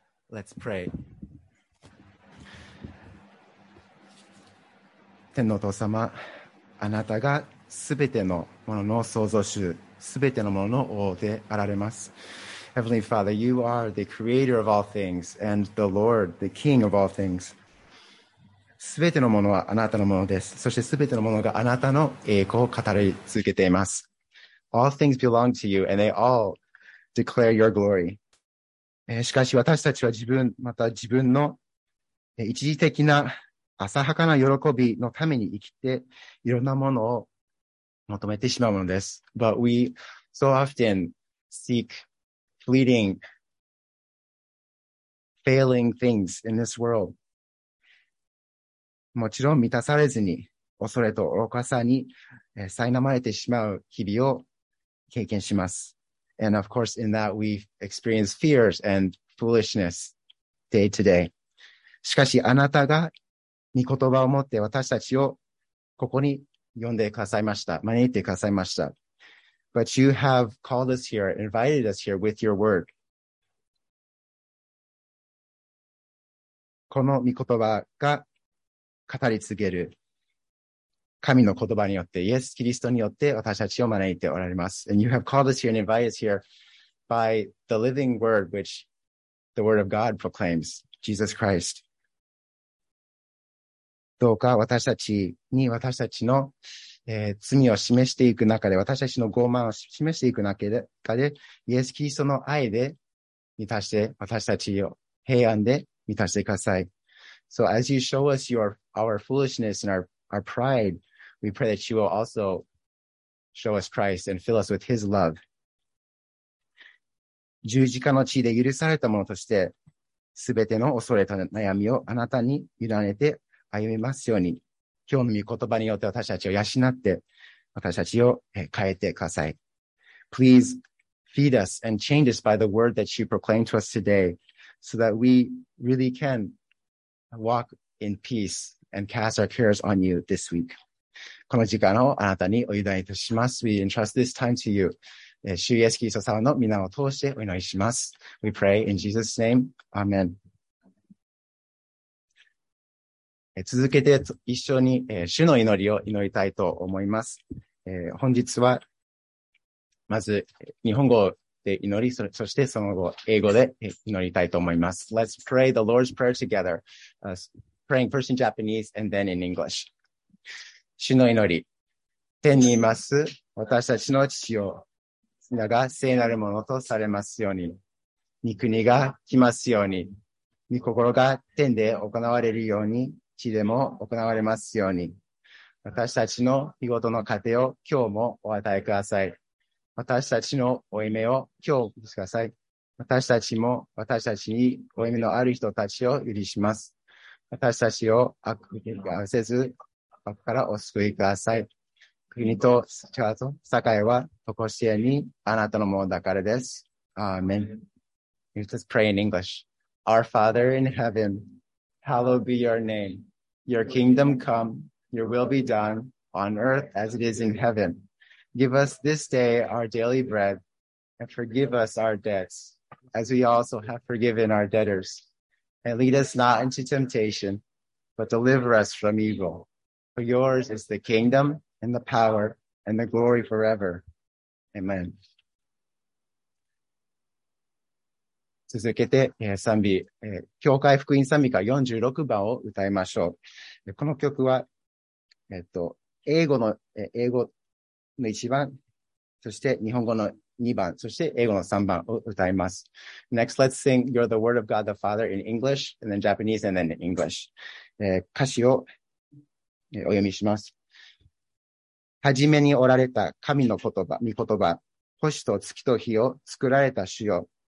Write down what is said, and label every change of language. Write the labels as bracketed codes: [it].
[en] Let's pray. [ja] 天のお父様、あなたがすべてのものの創造主、すべてのものの王であられます。 [en] Heavenly Father, you are the creator of all things and the Lord, the king of all things. [ja] すべてのものはあなたのものです。そしてすべてのものがあなたの栄光を語り続けています。 [en] All things belong to you and they all declare your glory. [ja] しかし私たちは自分、また自分の一時的な浅はかな喜びのために生きていろんなものを求めてしまうものです。 [en] But we so often seek fleeting, failing things in this world. [ja] もちろん満たされずに恐れと愚かさに苛まれてしまう日々を経験します。 [en] And of course, in that we experience fears and foolishness day to day. [ja] しかしあなたが御言葉を持って私たちをここに呼んでくださいました。招いてくださいました。 [en] But you have called us here, invited us here with your word. [ja] この御言葉が語り継げる神の言葉によってイエス・キリストによって私たちを招いておられます。 [en] And you have called us here and invited us here by the living word which the word of God proclaims, Jesus Christ. [ja] どうか私たちに私たちの、罪を示していく中で私たちの傲慢を示していく中でイエス・キリストの愛で満たして私たちを平安で満たしてください。 [en] So as you show us our foolishness and our pride, we pray that you will also show us Christ and fill us with his love. [ja] 十字架の血で許されたものとして、すべての恐れと悩みをあなたに委ねて歩みますように、今日の御言葉によって私たちを養って、私たちを変えてください。 [en] Please feed us and change us by the word that you proclaim to us today, so that we really can walk in peace. And cast our cares on you this week. [ja] この時間をあなたにお委ねいたします。 [en] We entrust this time to you. [ja] 主イエスキリスト様の皆を通してお祈りします。 [en] We pray in Jesus' name. Amen. [ja] 続けて一緒に主の祈りを祈りたいと思います。本日は、まず日本語で祈り、そしてその後英語で祈りたいと思います。 [en] Let's pray the Lord's Prayer together. Praying first in Japanese and then in English. [ja] 主の祈り。天にいます私たちの父よ、皆が聖なるものとされますように、御国が来ますように、御心が天で行われるように、地でも行われますように、私たちの日ごとの糧を今日もお与えください。私たちの負い目を今日お許しください。私たちも私たちに負い目のある人たちを許します。私たちを悪に合わせず、悪からお救いください。国と力と栄えは、とこしえにあなたのものだからです。 [en] アーメン。Let's just pray in English. Our Father in heaven, hallowed be your name. Your kingdom come, your will be done on earth as it is in heaven. Give us this day our daily bread and forgive us our debts as we also have forgiven our debtors. And lead us not into temptation, but deliver us from evil. For yours is the kingdom and the power and the glory forever. Amen. [ja] 続けて賛美、教会福音賛美歌46番を歌いましょう。この曲は、英語の1番、そして日本語の2番、そして英語の3番を歌います。 [en] Next, let's sing You're the Word of God the Father in English, and then Japanese, and then English. [ja] 歌詞をお読みします。はじめにおられた神の言葉、御言葉、星と月と日を作られた主よ。